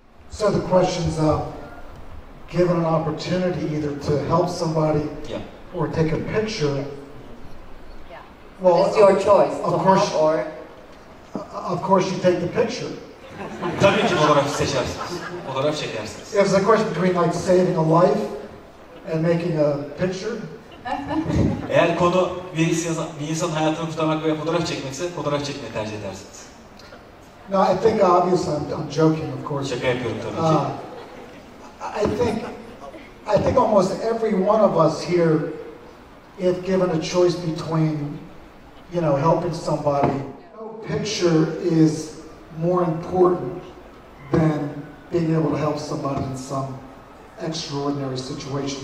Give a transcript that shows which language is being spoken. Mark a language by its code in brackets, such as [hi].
[en] So the question's given an opportunity either to help somebody or take a picture. Yeah. Well, it's your choice. Of course. Of course, you take the picture. [tr] Tabii ki fotoğraf seçersiniz. Fotoğraf çekersiniz. [en] If it's a question between like saving a life and making a picture. [tr] Eğer konu bir insan hayatını kurtarmak veya fotoğraf çekmekse, fotoğraf çekmeyi tercih edersiniz. [en] No, I think obviously I'm joking, of course. [tr] Şaka yapıyorum tabii ki. [en] I think almost every one of us here, if given a choice between, you know, helping somebody. Picture is more important than being able to help somebody in some extraordinary situation.